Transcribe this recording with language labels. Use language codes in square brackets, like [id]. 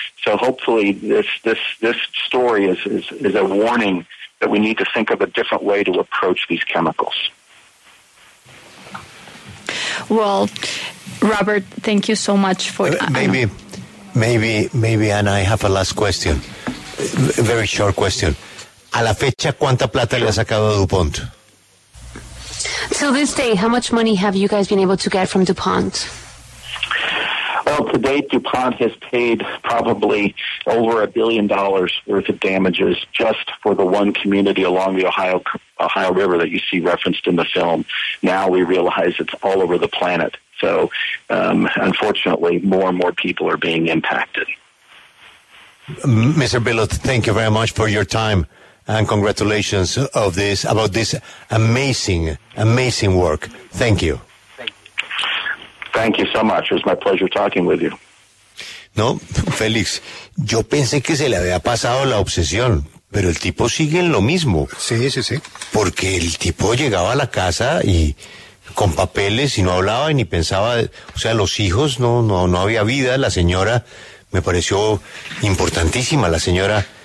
[en] So hopefully this story is a warning that we need to think of a different way to approach these chemicals. Well, Robert, thank you so much for... Maybe, Anna, I have a last question. A very short question. [es] A la fecha, ¿cuánta plata le ha sacado DuPont? [en] To this day, how much money have you guys been able to get from DuPont? Well, to date, DuPont has paid probably over $1 billion worth of damages just for the one community along the Ohio River that you see referenced in the film. Now we realize it's all over the planet. So, unfortunately, more and more people are being impacted. Mr. Billot, thank you very much for your time. And congratulations of this about this amazing, amazing work. Thank you. Thank you so much. It was my pleasure talking with you. [es] No, Félix, yo pensé que se le había pasado la obsesión, pero el tipo sigue en lo mismo. Sí, sí, sí. Porque el tipo llegaba a la casa y con papeles y no hablaba y ni pensaba, o sea, los hijos, no había vida. La señora me pareció importantísima, la señora...